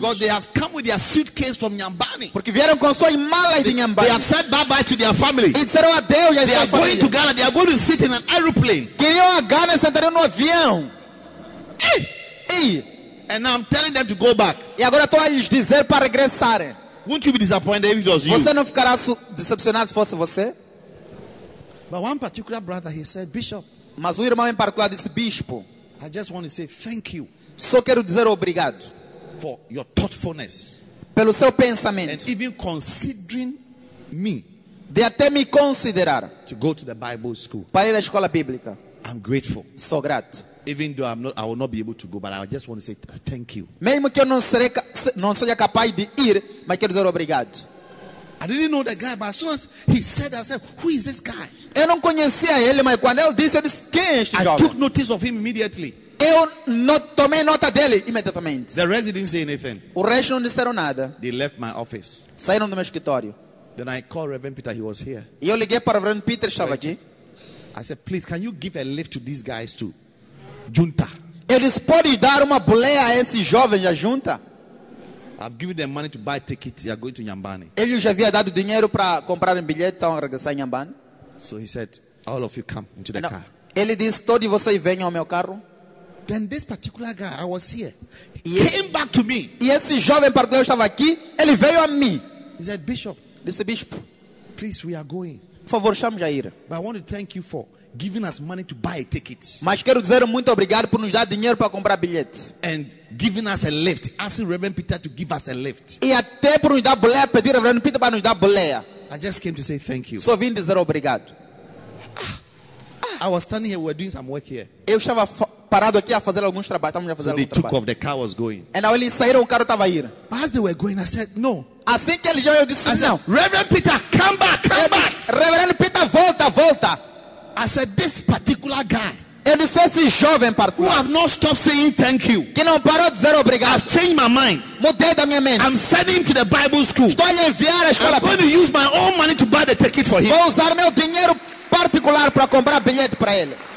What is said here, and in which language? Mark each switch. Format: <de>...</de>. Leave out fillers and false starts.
<en>Because they have come with their suitcase from Nyambani.</en> <pt>Porque vieram com sua mala de Nyambani.</pt> <en>They have said bye bye to their family.</en> <pt>E disseram adeus à sua família.</pt> <en>They are going to Ghana. They are going to sit in an aeroplane.</en> <pt>Queriam a Ghana sentariam no avião. Hey.</pt> <en>And now I'm telling them to go back.</en> <pt>E agora estou a lhes dizer para regressar.</pt> <en>Won't you be disappointed if it was you?</en> <pt>Você não ficará decepcionado se fosse você?</pt> <en>But one particular brother, he said, Bishop.</en> <pt>Mas o irmão em particular disse, Bispo.</pt> <en>I just want to say thank you.</en> <pt>Só quero dizer obrigado</pt> <en>for your thoughtfulness.</en> <pt>Pelo seu pensamento.</pt> <en>And even considering me.</en> <pt>De até me considerar.</pt> <en>To go to the Bible school.</en> <pt>Para ir à escola bíblica.</pt> <en>I'm grateful.</en> <pt>Sou grato.</pt> <en>Even though I will not be able to go, but I just want to say thank you.</en> <pt>Mesmo que eu não seja capaz de ir, mas quero dizer obrigado.</pt> <en>I didn't know the guy, but as soon as he said, I said, who is this guy?</en> <pt>Eu não conhecia ele, mas quando ele disse, eu disse, quem é este jovem?</pt> <en>I took notice of him immediately.</en> <pt>Eu tomei nota dele imediatamente.</pt> <en>The rest didn't say anything.</en> <pt>O resto não disseram nada.</pt> <en>They left my office.</en> <pt>Saíram do meu escritório.</pt> <en>Then I called Reverend Peter, he was here.</en> <pt>E eu liguei para o Reverend Peter, estava aqui.</pt> <en>I said, please, can you give a lift to these guys too?</en> <pt>Junta. Ele disse, pode dar uma boleia a esse jovem, a junta?</pt> <en>I've given them money to buy tickets. They are going to Nyambani.</en> <pt>Ele já havia dado dinheiro para comprar um bilhete, então regressar em Nyambani.</pt> <en>So he said, all of you come into the car.</en> <pt>Ele disse, todos vocês venham ao meu carro.</pt> <en>Then this particular guy, I was here. He came back to me.</en> <pt>E esse jovem para o qual eu estava aqui, ele veio a mim.</pt> <en>He said, Bishop.</en> <pt>Disse, Bispo.</pt> <en>Please, we are going.</en> <pt>Por favor, chame-me a ir.</pt> <en>But I want to thank you for giving us money to buy a ticket.</en> <pt>Mas quero dizer muito obrigado por nos dar dinheiro para comprar bilhetes.</pt> <en>And giving us a lift. Asking Reverend Peter to give us a lift.</en> <pt>E até por nos dar boleia, pedir Reverend Peter para nos dar boleia.</pt> <en>I just came to say thank you.</en> <pt>Só vim dizer obrigado.</pt> <en>I was standing here, we were doing some work here.</en> <pt>Eu estava parado aqui a fazer alguns trabalhos. Estamos a fazer alguns trabalhos.</pt> <en>So they took off, the car was going. And now</en> <pt>eles saíram, o carro estava a ir.</pt> <en>As they were going, I said, no.</en> <pt>Assim que eles já eu disse,</pt> <en>I said, Reverend Peter, come back, come back.</en> <pt>Reverend Peter, volta, volta.</pt> <en>I said, this particular guy.</en> <pt>Eu disse, esse jovem particular.</pt> <en>Who have not stopped saying thank you.</en> <pt>Que não parou de dizer obrigado.</pt> <en>I've changed my mind.</en> <pt>Mudei da minha mente.</pt> <en>I'm sending him to the Bible school.</en> <pt>Estou a enviar a escola.</pt> <en>I'm going to use my own money to buy the ticket for him.</en> <pt>Vou usar meu dinheiro particular para comprar bilhete para ele.</pt>